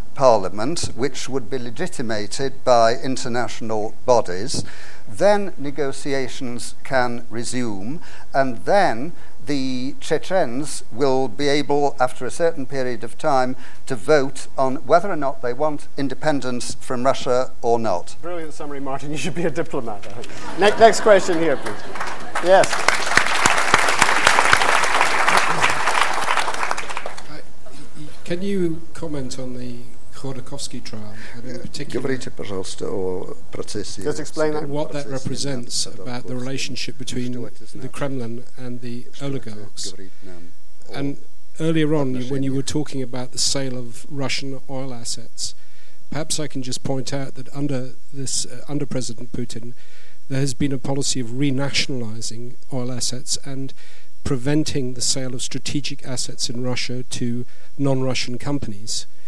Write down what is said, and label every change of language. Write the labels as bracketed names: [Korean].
[English] parliament, which would be legitimated by international bodies, then negotiations can resume, and then the Chechens will be able, after a certain period of time, to vote on whether or not they want independence from Russia or not. Brilliant summary, Martin. You should be a diplomat, I think. Next question here, please. Yes. Can you comment on the Khodorkovsky trial in particular? [Russian] Говорите, пожалуйста, о процессе. [English] Just explain that. What that represents about the relationship between the Kremlin and the oligarchs. And earlier on, when you were talking about the sale of Russian oil assets, perhaps I can just point out that under this, under President Putin, there has been a policy of renationalizing oil assets and preventing the sale of strategic assets in Russia to non-Russian companies.